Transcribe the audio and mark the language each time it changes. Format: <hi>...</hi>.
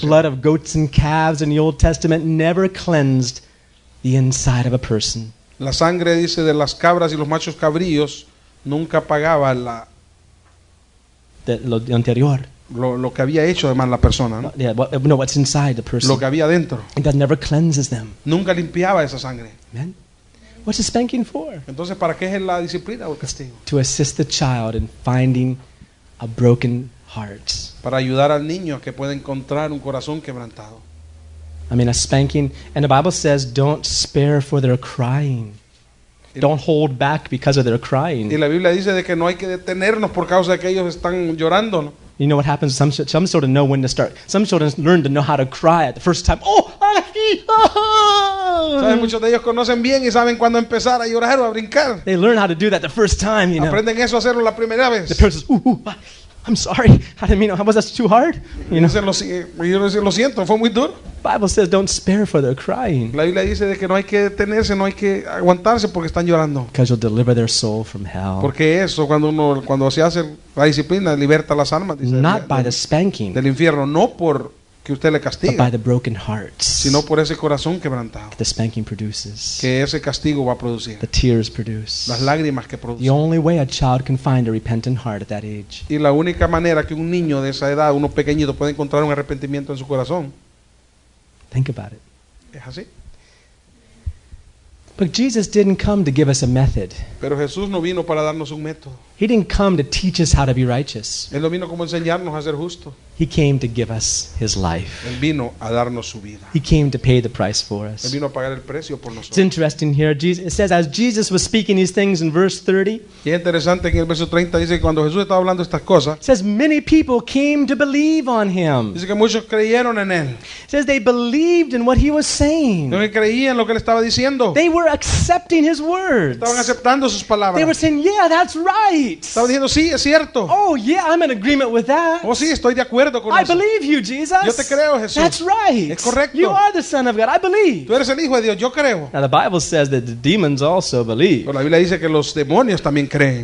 <en>The blood of goats and calves in the Old Testament never cleansed the inside of a person.</en> <es>La sangre, dice, de las cabras y los machos cabríos nunca pagaba la lo anterior. Lo que había hecho además la persona, ¿no?</es> <en>What's inside the person.</en> <es>Lo que había dentro.</es> <en>And that never cleanses them.</en> <es>Nunca limpiaba esa sangre.</es> <en>Amen. What's the spanking for?</en> <es>Entonces, ¿para qué es la disciplina o el castigo?</es> <en>To assist the child in finding a broken heart.</en> <es>Para ayudar al niño a que pueda encontrar un corazón quebrantado.</es> <en>I mean, a spanking, and the Bible says, don't spare for their crying. Don't hold back because of their crying.</en> <es>Y la Biblia dice de que no hay que detenernos por causa de que ellos están llorando, ¿no?</es> <en>You know what happens? Some children know when to start. Some children learn to know how to cry at the first time.</en> <es>Oh, aquí. Saben, muchos de ellos conocen bien y saben cuándo empezar a llorar o a brincar.</es> <en>They learn how to do that the first time, you know.</en> <es>Aprenden eso a hacerlo la primera vez.</es> <en>The parent says, I'm sorry. I didn't mean it. Was that too hard? You know.</en> <es>Lo siento. Fue muy duro.</es> <en>Bible says, don't spare for their crying.</en> <es>La Biblia dice de que no hay que detenerse, no hay que aguantarse porque están llorando.</es> <en>Because you'll deliver their soul from hell.</en> <es>Porque eso, cuando se hace la disciplina, liberta las almas. Dice,</es> <en>not by the spanking.</en> <es>Del infierno, no por que usted le castigue.</es> <en>But by the broken hearts.</en> <es>Sino por ese corazón quebrantado.</es> <en>The spanking produces.</en> <es>Que ese castigo va a producir.</es> <en>The tears produce.</en> <es>Las lágrimas que produce.</es> <en>The only way a child can find a repentant heart at that age.</en> <es>Y la única manera que un niño de esa edad, uno pequeñito, puede encontrar un arrepentimiento en su corazón.</es> <en>Think about it.</en> <es>¿Es así?</es> <en>But Jesus didn't come to give us a method.</en> <es>Pero Jesús no vino para darnos un método.</es> <en>He didn't come to teach us how to be righteous.</en> <es>Él no vino como enseñarnos a ser justo.</es> <en>He came to give us his life.</en> <es>Él vino a darnos su vida.</es> <en>He came to pay the price for us.</en> <es>Él vino a pagar el precio por nosotros.</es> <en>It's interesting here. It says as Jesus was speaking these things in verse 30.</en> <es>Y es interesante que el verso 30 dice que cuando Jesús estaba hablando estas cosas.</es> <en>It says many people came to believe on him.</en> <es>Dice que muchos creyeron en él.</es> <en>It says they believed in what he was saying.</en> <es>No creían lo que él estaba diciendo.</es> <en>They were accepting his words.</en> <es>Estaban aceptando sus palabras.</es> <en>They were saying, "Yeah, that's right."</en> <es>Estaban diciendo, "Sí, es cierto."</es> <en>Oh, yeah, I'm in agreement with that.</en> <es>Oh, sí, estoy de acuerdo.</es> <en>I believe you, Jesus.</en> <es>Yo te creo, Jesús.</es> <en>That's right.</en> <es>Es correcto.</es> <en>You are the Son of God. I believe.</en> <es>Tú eres el Hijo de Dios. Yo creo.</es> <en>Now the Bible says that the demons also believe.</en> <es>Pero la Biblia dice que los demonios también creen.</es>